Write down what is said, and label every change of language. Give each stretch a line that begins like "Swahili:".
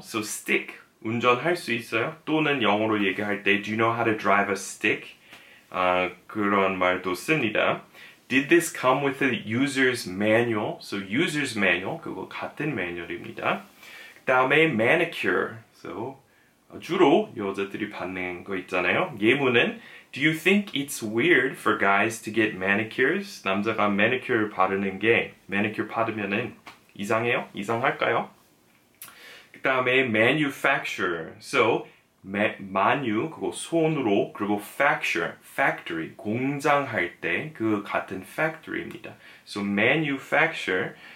English: So stick
Korean: 운전할 수 있어요. 또는 영어로 얘기할 때
English: do you know how to drive a stick?
Korean: 그런 말도 씁니다.
English: Did this come with a user's manual?
Korean: So user's manual, 그거 같은 매뉴얼입니다. 그 다음에 manicure. So 주로 여자들이 받는 거 있잖아요.
English: 예문은 Do you think it's weird for guys to get manicures?
Korean: 남자가 매니큐어 바르는 게 매니큐어 받으면은 이상해요? 이상할까요? 그 다음에 manufacture. So manu 그거 손으로 그리고 factory 공장 할 때 그 같은 factory입니다. So manufacture